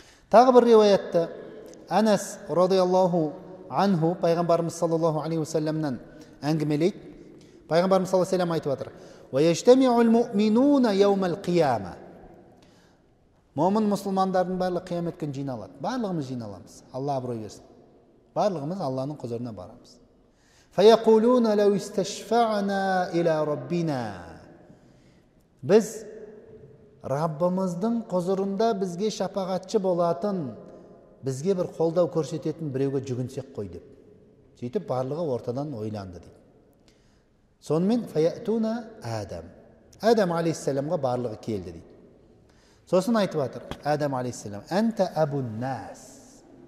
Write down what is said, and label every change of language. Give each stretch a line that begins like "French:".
Kazakh: Тағы бір риуаятта Анас радиаллаху анху пайғамбарымыз саллаллаху алейхи уассаламнан әңгімелейді. Пайғамбарымыз саллаллаху алейхи уассалам айтып отыр:
Arabic: "Ваяжтамиул муъминуна яумал қияма".
Kazakh: Момын мұсылмандардың барлығы қиямет күні жиналады. Барлығымыз жиналамыз. Алла абырой берсін. Барлығымыз Алланың құзырына барамыз.
Arabic: "Фаякулуна лау истешфа'на иля раббина".
Kazakh: Біз Раббымыздың құзырында бізге шапағатшы болатын, бізге бір қолдау көрсететін біреуге жүгінсек қой деп. Сөйтіп барлығы ортадан ойланды дейді. Сонымен
Arabic: "Фаятуна Адам".
Kazakh: Адам алейхиссаламға барлығы келді дейді. Сосын айтып отыр Адам алейхиссалам:
Arabic: "Анта абун нас".